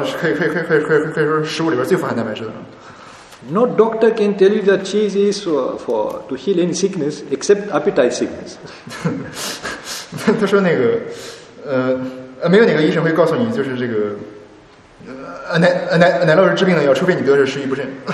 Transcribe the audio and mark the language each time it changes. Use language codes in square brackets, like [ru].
[zh] 他说那个鱼的话，那个蛋白质含量大概是20%到25%，然后肉的话是30%到32%，所以说，鱼肉和奶酪是可以说食物里边最富含蛋白质的。 [en] No doctor can tell you that cheese is for heal any sickness except appetite sickness. [zh] 他说那个，没有哪个医生会告诉你，就是这个。奶酪是治病的药，除非你得的是食欲不振。